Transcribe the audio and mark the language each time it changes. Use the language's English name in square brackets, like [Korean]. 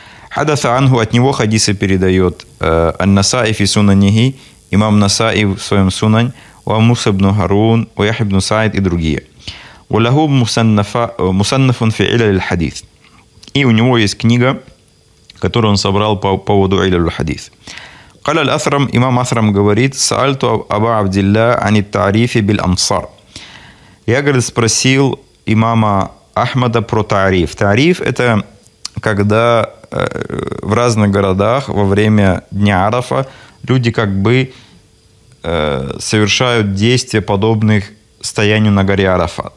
[Arabic] حدث عنه, [Russian] от него хадисы передает [Arabic] النسائي في سننه, [Russian] имам Насаи в своем Сунан, [Arabic] ومس بن هارون ويحيى بن سعيد [Russian] и другие. [Arabic] وله مصنف في علل الحديث. [Russian] И у него есть книга, которую он собрал по поводу علل الحديث. [Arabic] قال الأثرم, [Russian] имам Асрам говорит, [Arabic] سألت أبا عبد الله عن التعريف بالأمصار. [Russian] Я, говорит, спросил имама Ахмада про тариф. Тариф – это когда в разных городах во время дня Арафа люди как бы совершают действия, подобных стоянию на горе Арафат.